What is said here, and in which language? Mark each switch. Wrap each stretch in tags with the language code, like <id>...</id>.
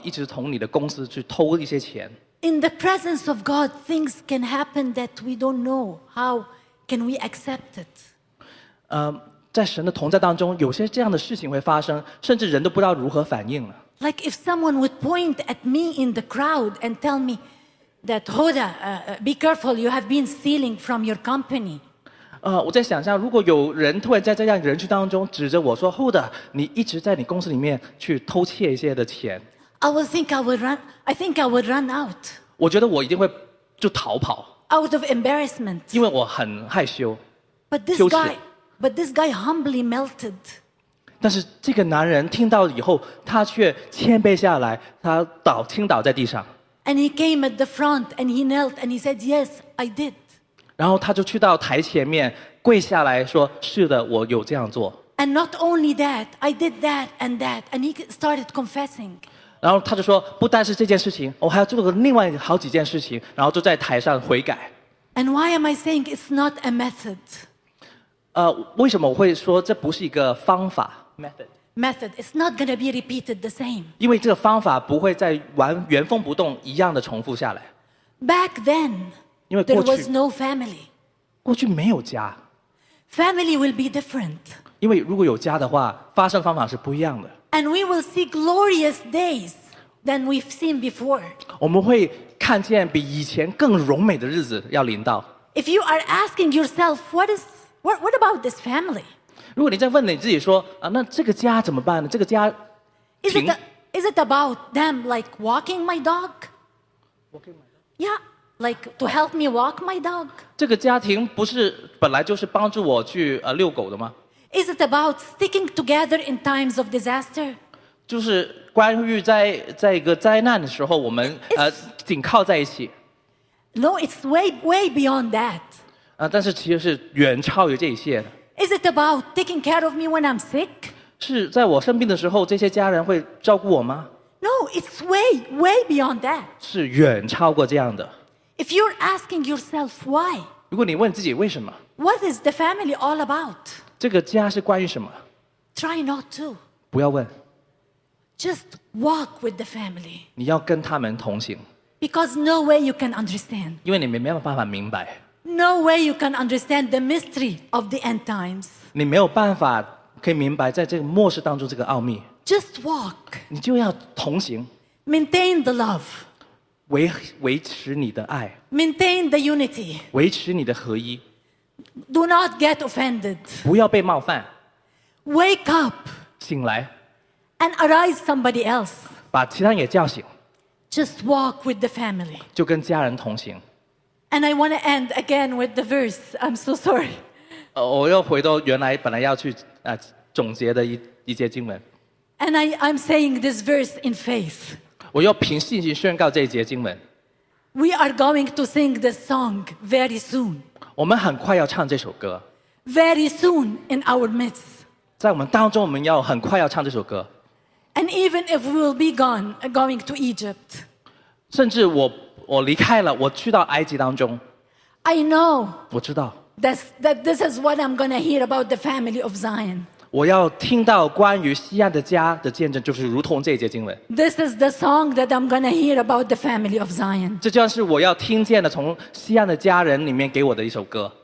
<zh>他就跟这个男人说，我其实不认识你，但是先生，不好意思，我要告诉你说，神知道你一直从你的公司去偷一些钱。</zh> <en>In the presence of God, things can happen that we don't know. How can we accept it?</en> <zh>在神的同在当中，有些这样的事情会发生，甚至人都不知道如何反应了。</zh> <en>Like if someone would point at me in the crowd and tell me that, Hoda, be careful, you have been stealing from your company.</en> <zh>我在想象，如果有人突然在这样人群当中指着我说， Hoda, 你一直在你公司里面去偷窃一些的钱。</zh> <en>I think I would run out.</en> <zh>我觉得我一定会就逃跑。</zh> <en>Out of embarrassment.</en> <zh>因为我很害羞。</zh> <en>But this guy humbly melted.</en> <zh>但是这个男人听到以后，他却谦卑下来，他倒倾倒在地上。</zh> <en>And he came at the front and he knelt and he said, "Yes, I did."</en> <zh>然后他就去到台前面跪下来说，是的，我有这样做。</zh> <en>And not only that, I did that and that, and he started confessing.</en> <zh>然后他就说，不单是这件事情，我还要做了另外好几件事情，然后就在台上悔改。</zh> <en>And why am I saying it's not a method?</en> <zh>为什么我会说这不是一个方法</zh> <en>？Method. It's not going to be repeated the same.</en> <zh>因为这个方法不会再完原封不动一样的重复下来。</zh> <en>Back then,</en> <zh>因为过去</zh> <en>there was no family.</en> <zh>过去没有家。</zh> <en>Family will be different.</en> <zh>因为如果有家的话，发生方法是不一样的。</zh> <en>And we will see glorious days than we've seen before.</en> <zh>我们会看见比以前更荣美的日子要临到。</zh> <en>If you are asking yourself, what about this family?</en> <zh>如果你在问你自己说啊，那这个家怎么办呢？这个家</zh> <en>is it about them like walking my dog? Walking my dog. Yeah, like to help me walk my dog.</en> <zh>这个家庭不是本来就是帮助我去遛狗的吗</zh> <en>？Is it about sticking together in times of disaster?</en> <zh>就是关于在一个灾难的时候，我们紧靠在一起。</zh> <en>No, it's way beyond that.</en> <zh>但是其实是远超于这一切的。</zh> <en>Is it about taking care of me when I'm sick?</en> <zh>是在我生病的时候，这些家人会照顾我吗</zh> <en>？No, it's way beyond that.</en> <zh>是远超过这样的。</zh> <en>If you're asking yourself why?</en> <zh>如果你问自己为什么</zh> <en>？What is the family all about?</en> <zh>这个家是关于什么</zh> <en>？Try not to.</en> <zh>不要问。</zh> <en>Just walk with the family.</en> <zh>你要跟他们同行。</zh> <en>Because no way you can understand.</en> <zh>因为你没有办法明白。</zh> <en>No way you can understand the mystery of the end times.</en> <zh>你没有办法可以明白在这个末世当中这个奥秘。</zh> <en>Just walk.</en> <zh>你就要同行。</zh> <en>Maintain the love.</en> <zh>维持你的爱。</zh> <en>Maintain the unity.</en> <zh>维持你的合一。</zh> <en>Do not get offended.</en> <zh>不要被冒犯。</zh> <en>Wake up.</en> <zh>醒来。</zh> <en>And arise somebody else.</en> <zh>把其他人也叫醒。</zh> <en>Just walk with the family.</en> <zh>就跟家人同行。</zh> <en>And I want to end again with the verse. I'm so sorry.</en> <zh>我又回到原来本来要去总结的一节经文。</zh> <en>And I'm saying this verse in faith.</en> <zh>我又凭信心宣告这一节经文。</zh> <en>We are going to sing this song very soon.</en> <zh>我们很快要唱这首歌。</zh> <en>Very soon in our midst.</en> <zh>在我们当中，我们要很快要唱这首歌。</zh> <en>And even if we will be gone, going to Egypt.</en> <zh>甚至我离开了，我去到埃及当中。</zh> <en>I know.</en> <zh>我知道。</zh> <en>That this is what I'm going to hear about the family of Zion.</en> <zh>我要听到关于锡安的家的见证，就是如同这一节经文。</zh> <en>This is the song that I'm going to hear about the family of Zion.</en> <zh>这就是我要听见的，从锡安的家人里面给我的一首歌。</zh>